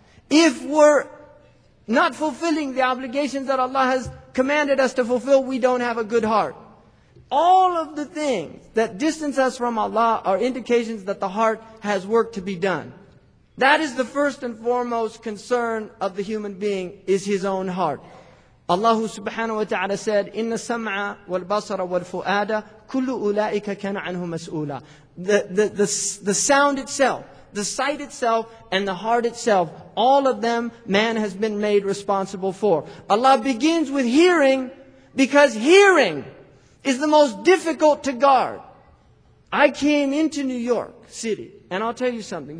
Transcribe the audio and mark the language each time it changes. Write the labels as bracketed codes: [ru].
[en] If we're not fulfilling the obligations that Allah has commanded us to fulfill, we don't have a good heart. All of the things that distance us from Allah are indications that the heart has work to be done. That is the first and foremost concern of the human being, is his own heart. Allah subhanahu wa ta'ala said, [ar] إِنَّ السَّمْعَ وَالْبَصَرَ وَالْفُؤَادَ كُلُّ أُولَٰئِكَ كَانَ عَنْهُ مَسْؤُولًا. [en] The sound itself, the sight itself, and the heart itself, all of them, man has been made responsible for. Allah begins with hearing, because hearing is the most difficult to guard. I came into New York City, and I'll tell you something.